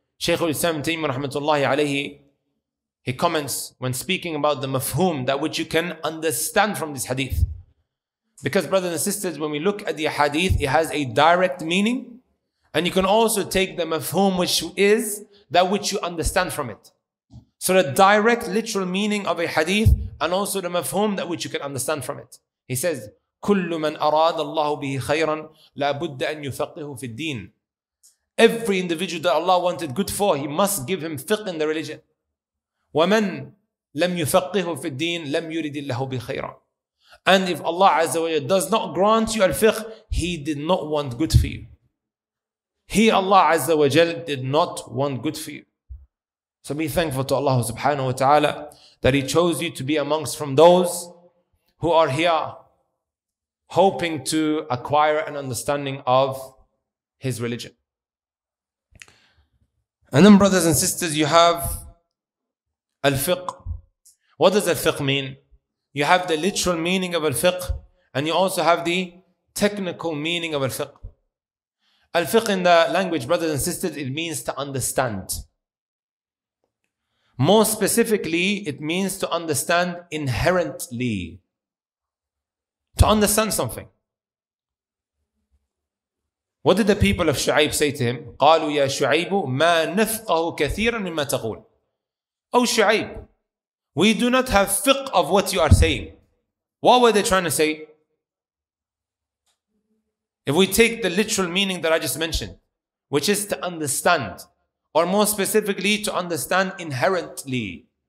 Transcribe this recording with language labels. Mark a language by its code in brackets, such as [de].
[en] Shaykh al-Islam Taymiyyah rahmatullahi alayhi, he comments when speaking about the mafhum, that which you can understand from this hadith. Because brothers and sisters, when we look at the hadith, it has a direct meaning. And you can also take the mafhum, which is that which you understand from it. So the direct literal meaning of a hadith, and also the mafhum that which you can understand from it. He says, [ar] كل من أراد الله به خيرا لابد أن يفقه في الدين. [en] Every individual that Allah wanted good for, He must give him fiqh in the religion. [ar] ومن لم يفقه في الدين لم يرد الله به خيرا. [en] And if Allah Azza wa Jalla does not grant you al-fiqh, He did not want good for you. He, Allah Azza wa Jalla, did not want good for you. So be thankful to Allah Subhanahu wa Ta'ala that He chose you to be amongst from those who are here hoping to acquire an understanding of His religion. And then brothers and sisters, you have al-fiqh. What does al-fiqh mean? You have the literal meaning of al-fiqh, and you also have the technical meaning of al-fiqh. Al-fiqh in the language, brothers and sisters, it means to understand. More specifically, it means to understand inherently. To understand something. What did the people of Shu'aib say to him? [ar] قالوا يا شعيب ما نفقه كثيرا مما تقول. [en] Oh Shu'aib, we do not have fiqh of what you are saying. What were they trying to say? If we take the literal meaning that I just mentioned, which is to understand, or more specifically, to understand inherently.